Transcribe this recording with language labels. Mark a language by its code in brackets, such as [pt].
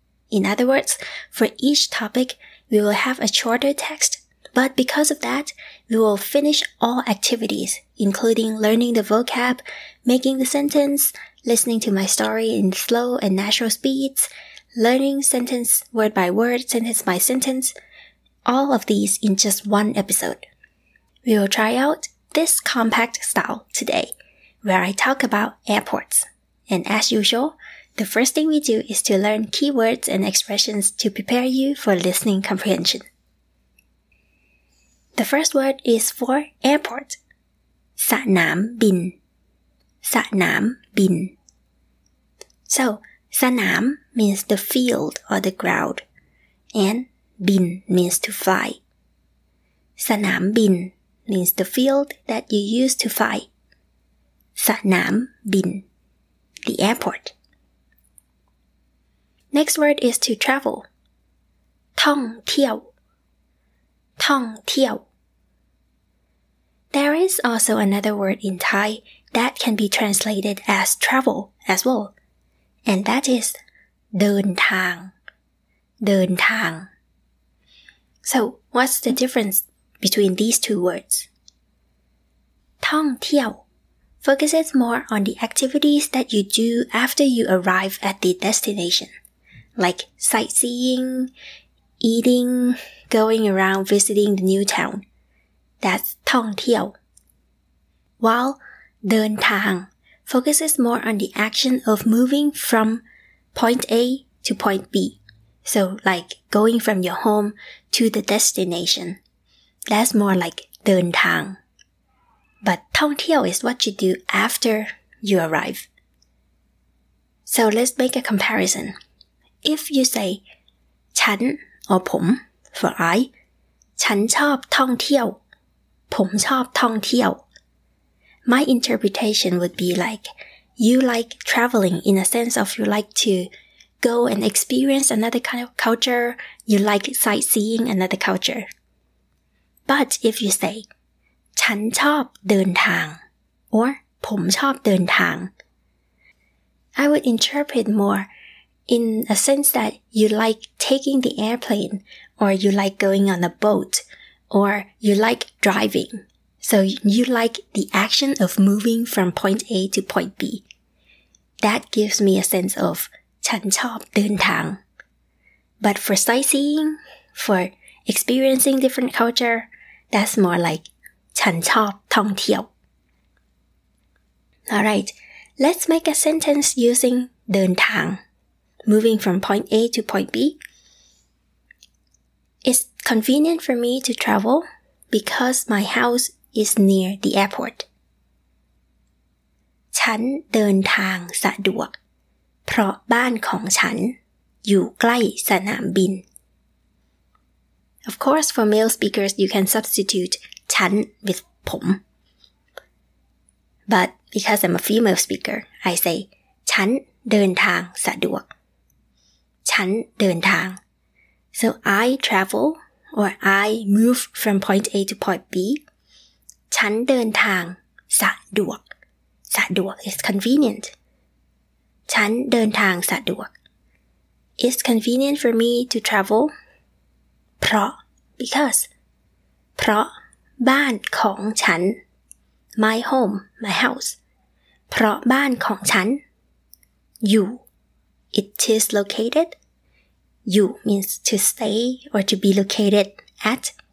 [en] In other words, for each topic, we will have a shorter text, but because of that, we will finish all activities, including learning the vocab, making the sentence, listening to my story in slow and natural speeds, learning sentence word by word, sentence by sentence, all of these in just one episode. We will try out this compact style today, where I talk about airports. And as usual, the first thing we do is to learn keywords and expressions to prepare you for listening comprehension. The first word is for airport. สนามบินสนามบิน So, สนาม means the field or the ground, and bin means to fly. สนามบิน means the field that you use to fly. สนามบิน the airport. Next word is to travel. ท่องเที่ยวท่องเที่ยว There is also another word in Thai that can be translated as travel as well. And that is เดินทางเดินทาง So, what's the difference between these two words? ท่องเที่ยว focuses more on the activities that you do after you arrive at the destination, like sightseeing, eating, going around visiting the new town. That's ท่องเที่ยว While เดินทางfocuses more on the action of moving from point A to point B. So, like going from your home to the destination. That's more like เดินทาง. But ท่องเที่ยว is what you do after you arrive. So, let's make a comparison. If you say ฉัน or ผม for I, [th] ฉันชอบท่องเที่ยว. ผมชอบท่องเที่ยว [en] My interpretation would be like, you like traveling in a sense of you like to go and experience another kind of culture, you like sightseeing another culture. But if you say, [th] ฉันชอบเดินทาง [en] or [th] ผมชอบเดินทาง [en] I would interpret more in a sense that you like taking the airplane or you like going on a boat or you like driving. So you like the action of moving from point A to point B. That gives me a sense of [th] ฉันชอบเดินทาง. [en] But for sightseeing, for experiencing different culture, that's more like [th] ฉันชอบท่องเที่ยว. [en] Alright, let's make a sentence using เดินทาง, moving from point A to point B. It's convenient for me to travel because my house. Is near the airport. [th] ฉันเดินทางสะดวกเพราะบ้านของฉันอยู่ใกล้สนามบิน [en] Of course, for male speakers, you can substitute ฉัน with ผม But because I'm a female speaker, I say [th] ฉันเดินทางสะดวกฉันเดินทาง [en] So I travel or I move from point A to point B. [th] ฉันเดินทางสะดวกสะดวก [en] is convenient [th] ฉันเดินทางสะดวก [en] It's convenient for me to travel [th] เพราะ [en] because [th] เพราะบ้านของฉัน [en] my home my house [th] เพราะบ้านของฉัน [en] you it is located you means to stay or to be located at